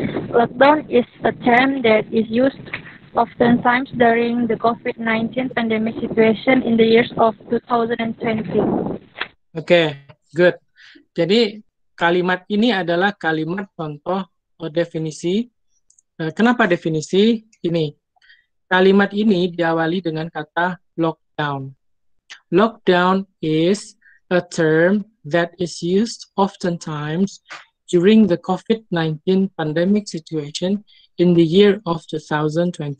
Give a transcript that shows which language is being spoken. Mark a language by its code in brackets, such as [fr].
[en] Lockdown is a term that is used often times during the COVID-19 pandemic situation in the years of 2020. Okay, good. [id] Jadi kalimat ini adalah kalimat contoh atau definisi. Kenapa definisi ini? Kalimat ini diawali dengan kata lockdown. [en] Lockdown is a term that is used oftentimes during the COVID-19 pandemic situation in the year of 2020.